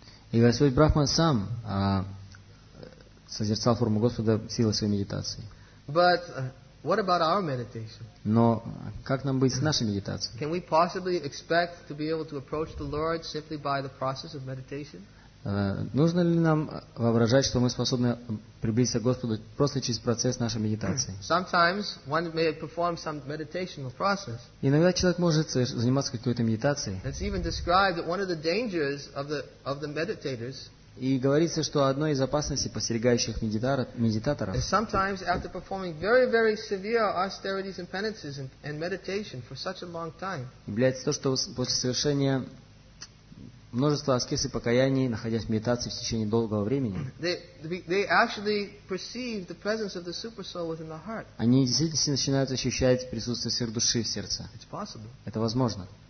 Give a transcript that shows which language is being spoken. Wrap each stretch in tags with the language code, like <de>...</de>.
<ru>И Господь Брахма сам созерцал форму Господа силой своей медитации.</ru> <en>But what about our meditation?</en> <ru>Но как нам быть с нашей медитацией?</ru> <en>Can we possibly expect to be able to approach the Lord simply by the process of meditation?</en> <ru>Нужно ли нам воображать, что мы способны приблизиться к Господу просто через процесс нашей медитации?</ru> <en>Sometimes one may perform some meditational process.</en> <ru>Иногда человек может заниматься какой-то медитацией.</ru> <en>It's even described that one of the dangers of the meditators.</en> <ru>И говорится, что одной из опасностей подстерегающих медитаторов.</ru> <en>And sometimes after performing very, very severe austerities and penances and meditation for such a long time.</en> <ru>Является то, что после совершения множество аскез и покаяний, находясь в медитации в течение долгого времени, они действительно начинают ощущать присутствие сверхдуши в сердце. Это возможно.</ru>